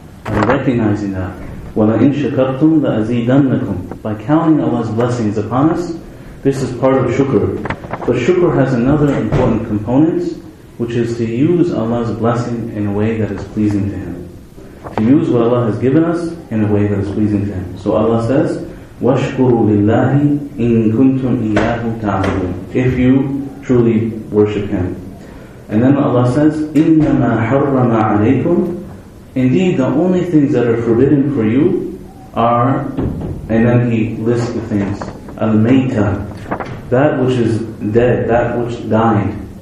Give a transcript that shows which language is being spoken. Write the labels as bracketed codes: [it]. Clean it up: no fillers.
[en] And recognizing that. [ar] وَلَئِن شَكَرْتُمْ لَأَزِيدَنَّكُمْ. [en] By counting Allah's blessings upon us, this is part of shukr. But shukr has another important component, which is to use Allah's blessing in a way that is pleasing to Him. To use what Allah has given us in a way that is pleasing to Him. So Allah says, [ar] وَاشْكُرُوا لِلَّهِ إِن كُنْتُمْ إِيَّاهُ تَعْبُدُونَ. [en] If you truly worship Him. And then Allah says, [ar] إِنَّمَا حَرَّمَ عَلَيْكُمْ. [en] Indeed, the only things that are forbidden for you are, and then He lists the things. Al-mayta, that which is dead, that which died.